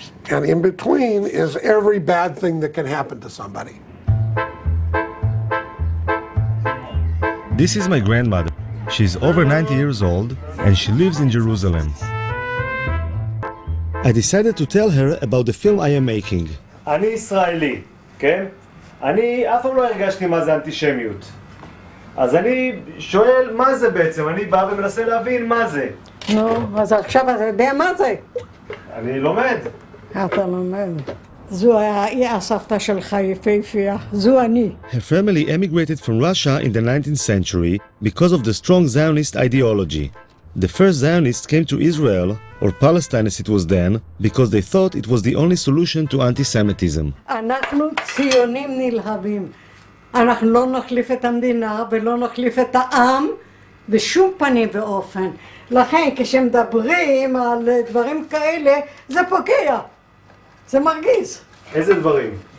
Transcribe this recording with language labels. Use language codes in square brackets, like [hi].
[en] And in between is every bad thing that can happen to somebody. This is my grandmother. She's over 90 years old, and she lives in Jerusalem. I decided to tell her about the film I am making. [he] אני ישראלי, כן? אני אף פעם לא הרגשתי מה זה אנטישמיות. אז אני שואל מה זה בעצם, אני בא ומנסה להבין מה זה. נו, אז עכשיו אתה יודע מה זה? אני לומד. אתה לומד. זו היא הסבתא שלך יפהפייה, זו אני. [en] Her family emigrated from Russia in the 19th century because of the strong Zionist ideology. The first Zionists came to Israel, or Palestine as it was then, because they thought it was the only solution to anti-Semitism. [he] אנחנו ציונים נלהבים. אנחנו לא נחליף את המדינה ולא נחליף את העם בשום פנים ואופן. לכן כשמדברים על דברים כאלה, זה פוגע. זה מרגיז. איזה דברים?